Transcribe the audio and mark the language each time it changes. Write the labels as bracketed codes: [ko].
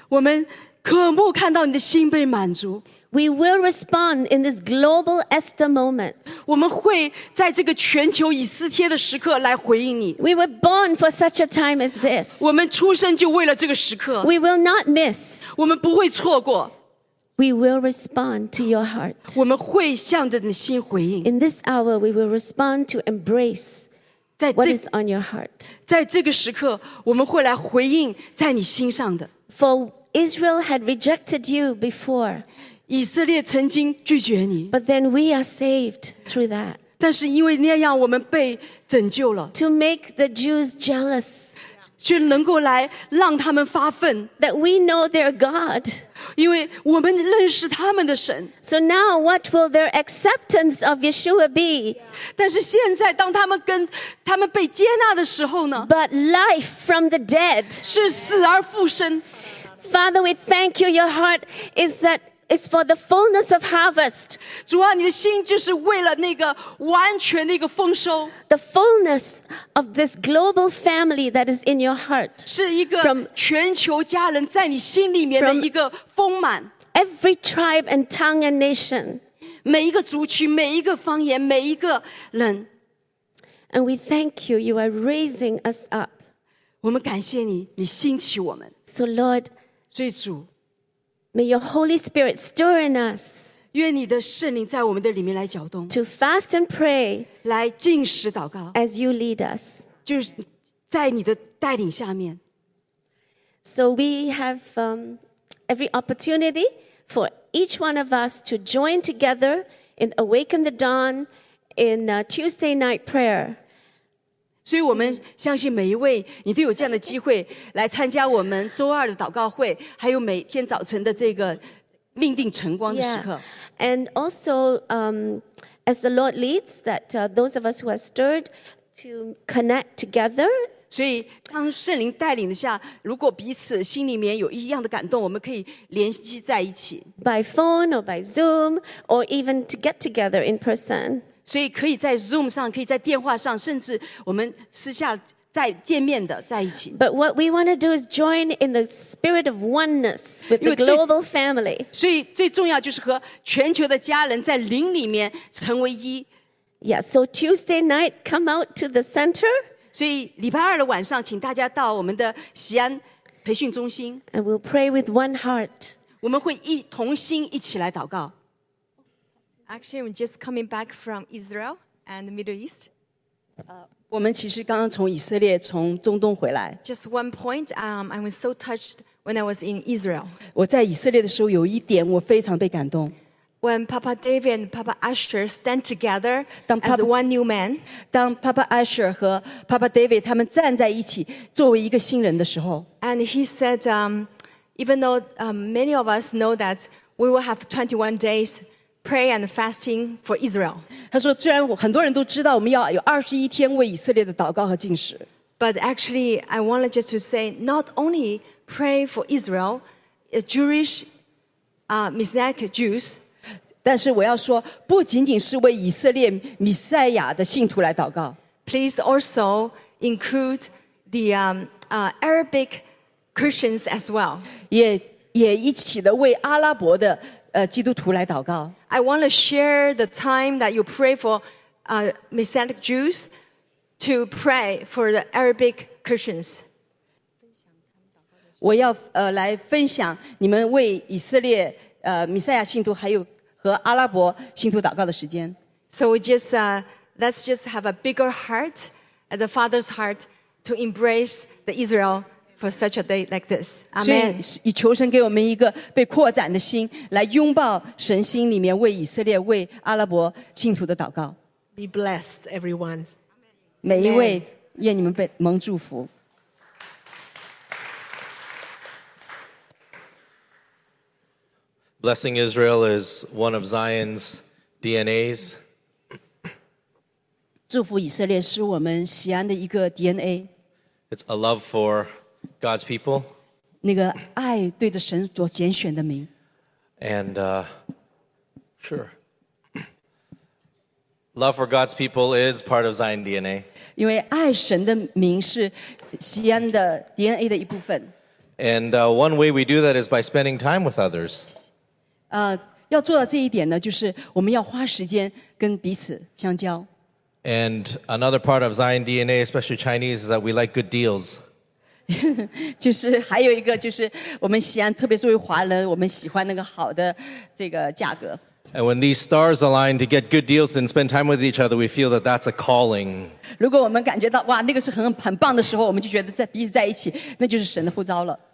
[zh] 我们渴慕看到你的心被满足。 [en] We will respond in this global Esther moment. [zh] 我们会在这个全球以斯帖的时刻来回应你。 [en] We were born for such a time as this. [zh] 我们出生就为了这个时刻。 [en] We will not miss. [zh] 我们不会错过。 [en] We will respond to your heart. [zh] 我们会向着你的心回应。 [en] In this hour, we will respond to embrace what is on your heart. [zh] 在这个时刻，我们会来回应在你心上的。 [en] For Israel had rejected you before. [zh] 以色列曾经拒绝你。 [en] But then we are saved through that. [zh] 但是因为那样我们被拯救了。 [en] To make the Jews jealous. [zh] 就能够来让他们发愤。 [en] That we know their God. [zh] 因为我们认识他们的神。 [en] So now what will their acceptance of Yeshua be? [zh] 但是现在当他们被接纳的时候呢？ [en] But life from the dead. [zh] 是死而复生。 [en] Father, we thank you. Your heart is that it's for the fullness of harvest. [zh] 主啊，你的心就是为了那个完全那个丰收。 [en] The fullness of this global family that is in your heart. [zh] 是一个全球家人在你心里面的一个丰满。 [en] Every tribe and tongue and nation. [zh] 每一个族群，每一个方言，每一个人。 [en] And we thank you. You are raising us up. [zh] 我们感谢你，你兴起我们。 [en] So Lord. [zh] 所以主 [en] May your Holy Spirit stir in us. [zh] 愿你的圣灵在我们的里面来搅动。 [en] To fast and pray. [zh] 来禁食祷告。 [en] As you lead us. [zh] 就是在你的带领下面。 [en] So we have every opportunity for each one of us to join together in Awaken the Dawn in Tuesday night prayer. [zh] 所以我们相信每一位你都有这样的机会来参加我们周二的祷告会，还有每天早晨的这个命定晨光的时刻。 [en] Yeah. And also, as the Lord leads, that those of us who are stirred to connect together. [zh] 所以当圣灵带领的下，如果彼此心里面有一样的感动，我们可以联系在一起。 [en] By phone or by Zoom or even to get together in person. [zh] 所以可以在 Zoom 上，可以在电话上，甚至我们私下再见面的在一起。 [en] But what we want to do is join in the spirit of oneness with the global family. [zh] 所以最重要就是和全球的家人在灵里面成为一。 [en] Yeah, so Tuesday night, come out to the center. [zh] 所以礼拜二的晚上，请大家到我们的西安培训中心。 [en] And we'll pray with one heart. [zh] 我们会一同心一起来祷告。 [en] Actually, I'm just coming back from Israel and the Middle East. [zh] 我们其实刚刚从以色列从中东回来。 [en] Just one point, I was so touched when I was in Israel. [zh] 我在以色列的时候有一点我非常被感动。 [en] When Papa David and Papa Asher stand together as one new man. [zh] 当 Papa Asher 和 Papa David 他们站在一起作为一个新人的时候。 [en] And he said, even though many of us know that we will have 21 days,Pray and fasting for Israel. [zh] 他说，虽然很多人都知道我们要有二十一天为以色列的祷告和禁食。 [en] But actually, I wanted just to say, not only pray for Israel, Jewish, Messianic Jews. [zh] 但是我要说，不仅仅是为以色列弥赛亚的信徒来祷告。 [en] Please also include the Arabic Christians as well. [zh] 也一起的为阿拉伯的。基督徒来祷告。 [en] I want to share the time that you pray for Messianic Jews to pray for the Arabic Christians. [zh] 我要来分享你们为以色列弥赛亚信徒还有和阿拉伯信徒祷告的时间。 [en] So we just let's just have a bigger heart as a father's heart to embrace the Israel. For such a day like this, Amen. [zh] 所以，以求神给我们一个被扩展的心，来拥抱神心里面为以色列、为阿拉伯信徒的祷告。 [en] Be blessed, everyone. [zh] 每一位， Amen. 愿你们被蒙祝福。 [en] Blessing Israel is one of Zion's DNAs. [zh] 祝福以色列是我们锡安的一个 DNA. [en] It's a love for. God's people. [zh] 那个爱对着神所拣选的民。 [en] And, sure. Love for God's people is part of Zion DNA. [zh] 因为爱神的民是锡安的 DNA 的一部分。 [en] And one way we do that is by spending time with others. [zh] 要做到这一点呢，就是我们要花时间跟彼此相交。 [en] And another part of Zion DNA, especially Chinese, is that we like good deals. [zh] 就是还有一个就是我们西安特别作为华人我们喜欢那个好的这个价格 [en] And when these stars align to get good deals and spend time with each other we feel that that's a calling [zh] 如果我们感觉到哇那个是很棒的时候我们就觉得在彼此在一起那就是神的呼召了